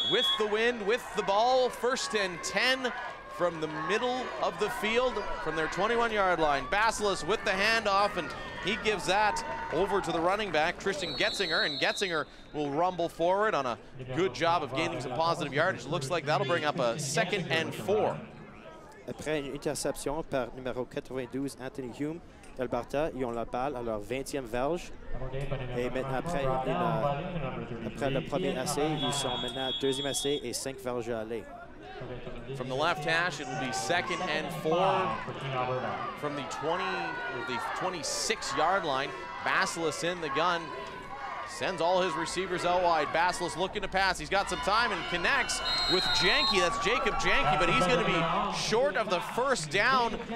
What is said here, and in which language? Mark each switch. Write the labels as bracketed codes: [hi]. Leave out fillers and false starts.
[en] With the wind, with the ball, first and 10 from the middle of the field, from their 21-yard line. Basilis with the handoff, and he gives that over to the running back, Tristan Getzinger, and Getzinger will rumble forward on a good job of gaining some positive yardage. Looks like that'll bring up a second and four. [fr] Après une interception par numéro 92, Anthony Hume, Alberta, ils ont la balle à leur 20e verge. Et maintenant, après le premier essai, ils sont maintenant deuxième essai et cinq verges à aller. [en] From the left hash, it'll be second and four from the 26-yard line. Basilis in the gun, sends all his receivers out wide. Basilis looking to pass. He's got some time and connects with Janky. That's Jacob Janky, but he's going to be short of the first down.